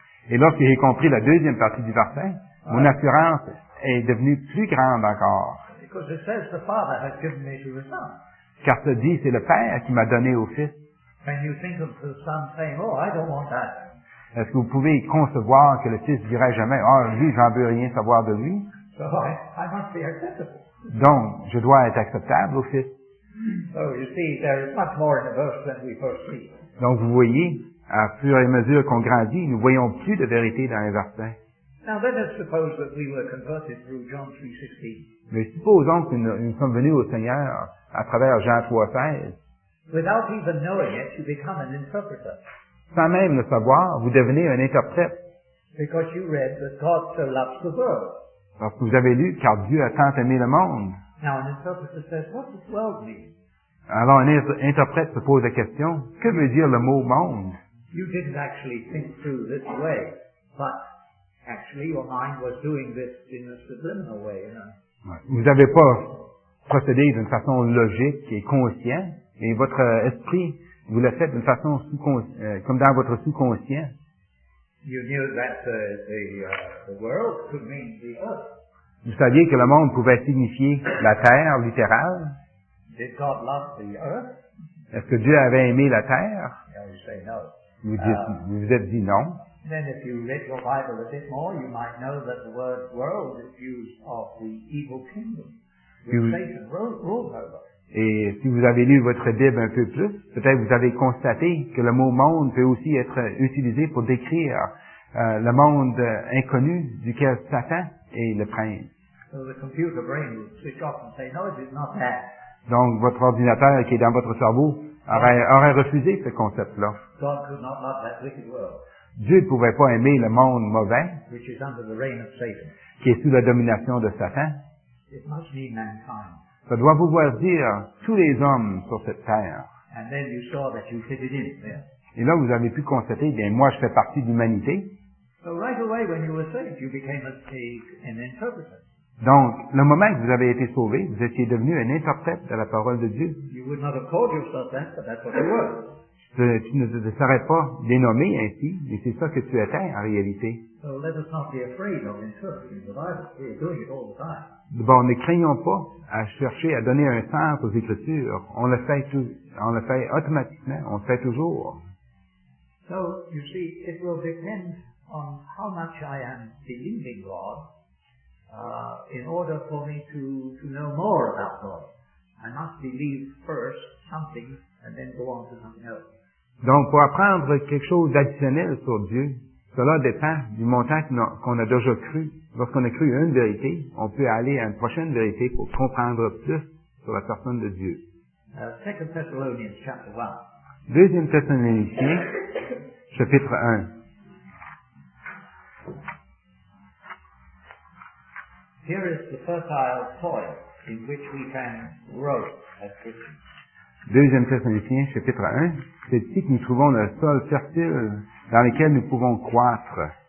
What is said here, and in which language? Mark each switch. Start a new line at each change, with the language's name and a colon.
French: Et lorsque j'ai compris la deuxième partie du verset, right, mon assurance est devenue plus grande encore.
English: Because it says the Father has given me to the Son.
French: Car ça dit, c'est le Père qui m'a donné au Fils.
English: And you think of the Son saying, oh, I don't want that.
French: Est-ce que vous pouvez concevoir que le Fils dirait jamais, ah, oh, lui, j'en veux rien savoir de lui?
English: So I must be acceptable.
French: Donc, je dois être acceptable au Fils.
English: So you see, there is much more in the verse than we first see.
French: Donc, vous voyez, à fur et à mesure qu'on grandit, nous voyons plus de vérité dans les versets.
English: Now then, let's suppose that we were converted through John 3:16.
French: Mais supposons que nous sommes venus au Seigneur à travers Jean 3:16.
English: Without even knowing it, you become an interpreter.
French: Sans même le savoir, vous devenez un interprète.
English: Because you read that God so loves the world.
French: Parce que vous avez lu, car Dieu a tant aimé le monde.
English: Now, an interpreter says, what does world mean?
French: Alors, un interprète se pose la question, que veut dire le mot monde?
English: You didn't actually think through this way, But actually, your mind was doing this in a subliminal way, you know.
French: Vous n'avez pas procédé d'une façon logique et consciente, et votre esprit, vous le faites d'une façon comme dans votre subconscient.
English: You knew that the world could mean the earth.
French: Vous saviez que le monde pouvait signifier la terre littérale.
English: Did God love the earth?
French: Est-ce que Dieu avait aimé la terre?
English: Yeah, you say no.
French: Vous vous êtes dit non.
English: Then if you read your Bible a bit more, you might know that the word world is used of the evil kingdom, which Satan ruled over.
French: Et si vous avez lu votre Bible un peu plus, peut-être vous avez constaté que le mot monde peut aussi être utilisé pour décrire le monde inconnu duquel Satan est le prince.
English: So the computer brain would switch off and say, no, it is not that.
French: Donc votre ordinateur qui est dans votre cerveau aurait refusé ce concept-là.
English: God could not love that wicked world.
French: Dieu ne pouvait pas aimer le monde mauvais,
English: which is under the reign of Satan,
French: qui est sous la domination de Satan.
English: It must mean mankind.
French: Ça doit pouvoir dire tous les hommes sur cette terre.
English: And then you saw that you fit it in there.
French: Et là, vous avez pu constater, bien, moi, je fais partie de l'humanité.
English: So right away, when you were saved, you became an interpreter.
French: Donc, le moment que vous avez été sauvé, vous étiez devenu un interprète de la parole de Dieu.
English: You would not have called yourself that, but that's what you were.
French: Tu ne te serais pas dénommé ainsi, mais c'est ça que tu étais en réalité.
English: So let us not be afraid of interpreting the Bible. We are doing it all the time.
French: Bon, ne craignons pas à chercher à donner un sens aux Écritures. On le fait automatiquement, on le fait toujours.
English: So, you see, it will depend on how much I am believing God, in order for me to know more about God. I must believe first something and then go on to something else.
French: Donc, pour apprendre quelque chose d'additionnel sur Dieu, cela dépend du montant qu'on a déjà cru. Lorsqu'on a cru une vérité, on peut aller à une prochaine vérité pour comprendre plus sur la personne de Dieu.
English: 2 Thessalonians, chapter 1.
French: 2 Thessaloniciens, chapitre 1.
English: Here is the fertile soil in which we can grow as Christians.
French: 2 Thessaloniciens, chapitre 1. C'est ici que nous trouvons le sol fertile dans lequel nous pouvons croître.